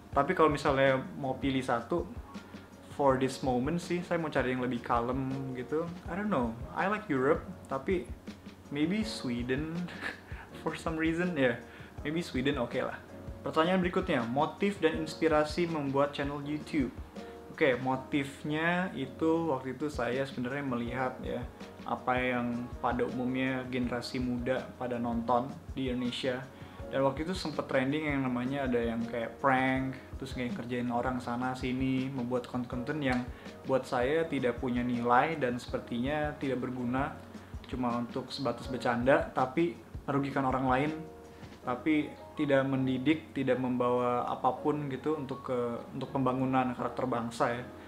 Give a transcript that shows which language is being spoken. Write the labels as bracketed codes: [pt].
[id] Tapi kalau misalnya mau pilih satu, [en] for this moment [id] sih, saya mau cari yang lebih kalem gitu. [en] I don't know, I like Europe, tapi maybe Sweden for some reason, ya. Yeah. Maybe Sweden okay lah. [id] Pertanyaan berikutnya, motif dan inspirasi membuat channel YouTube. Oke, motifnya itu waktu itu saya sebenarnya melihat ya, apa yang pada umumnya generasi muda pada nonton di Indonesia. Dan waktu itu sempat trending yang namanya ada yang kayak prank, terus kayak kerjain orang sana sini, membuat konten-konten yang buat saya tidak punya nilai dan sepertinya tidak berguna, cuma untuk sebatas bercanda tapi merugikan orang lain, tapi tidak mendidik, tidak membawa apapun gitu untuk pembangunan karakter bangsa ya.